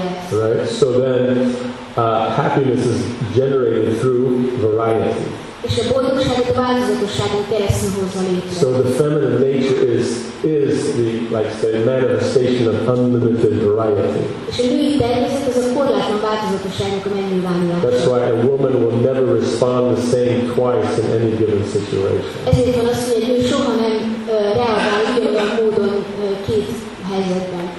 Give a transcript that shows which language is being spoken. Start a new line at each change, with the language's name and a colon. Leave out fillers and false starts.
English: Right? So then happiness is generated through variety.
Hungarian: És a boldogságot a változatosságon keresztül hozva létre.
English: So the feminine nature is the, like say, manifestation of unlimited variety.
Hungarian: És a női természet az a korlátlan változatosságnak a megnyilvánulása.
English: That's why a woman will never respond the same twice in any given situation.
Hungarian: Ezért van az, hogy egy nő soha nem reagál ugyanolyan módon két helyzetben.